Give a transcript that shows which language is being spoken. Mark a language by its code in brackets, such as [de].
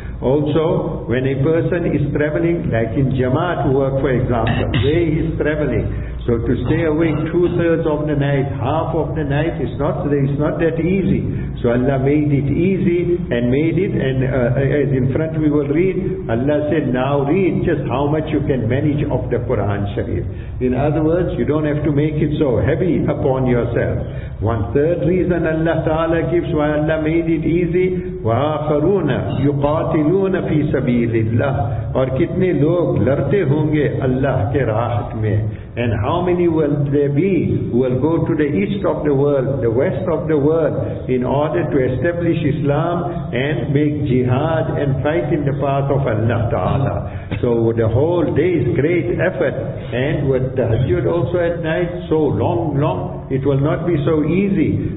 [en] Also, when a person is traveling, like in Jamaat work, for example, where he is traveling, so to stay awake two-thirds of the night, half of the night, it's not that easy. So Allah made it easy and made it, and as in front we will read, Allah said, now read just how much you can manage of the Quran Sharif. In other words, you don't have to make it so heavy upon yourself. One-third reason Allah Ta'ala gives why Allah made it easy, [ar] وَآخَرُونَ يُقَاتِلُونَ فِي سَبِيلِ اللَّهِ [ur] اور کتنے لوگ لڑتے ہوں گے اللہ کے راہ میں. [en] And how many will there be who will go to the east of the world, the west of the world, in order to establish Islam and make jihad and fight in the path of Allah Ta'ala. So the whole day's great effort, and with tahajjud also at night, so long, it will not be so easy.